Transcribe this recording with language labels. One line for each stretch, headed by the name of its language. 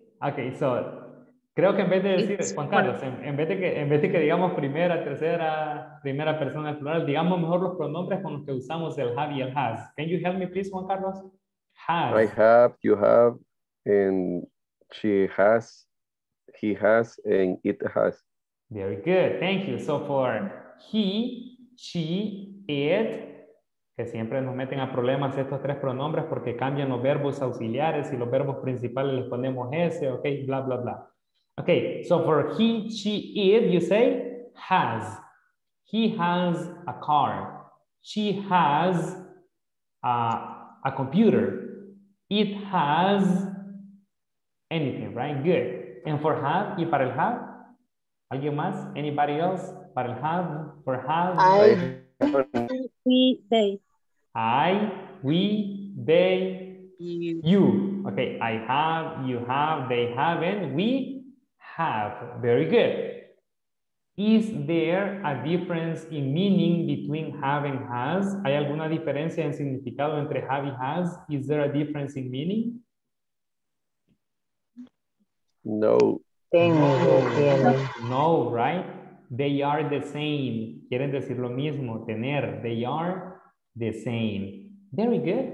Spanish: Okay, so creo que en vez de decir Juan Carlos, en vez de que digamos primera, tercera, primera persona plural, digamos mejor los pronombres con los que usamos el have y el has.
English: Can you help me please, Juan Carlos? Has. I have, you have, and she has, he has, and it has. Very good, thank you. So for he, she, it,
Spanish: que siempre nos meten a problemas estos tres pronombres porque cambian los verbos auxiliares y los verbos principales les ponemos ese, okay, bla, bla, bla.
English: Okay, so for he, she, it, you say has. He has a car. She has a computer. It has anything, right? Good. And for have,
Spanish: y para el have? ¿Alguien más?
English: Anybody else?
Spanish: Para el have,
English: for have? I, we, they. I, we, they, you. Okay, I have, you have, they have, and we have. Very good. Is there a difference in meaning between have and has?
Spanish: ¿Hay alguna diferencia en significado entre have y has?
English: Is there a difference in meaning? No. No, right? They are the same.
Spanish: Quieren decir lo mismo, tener.
English: They are the same. Very good.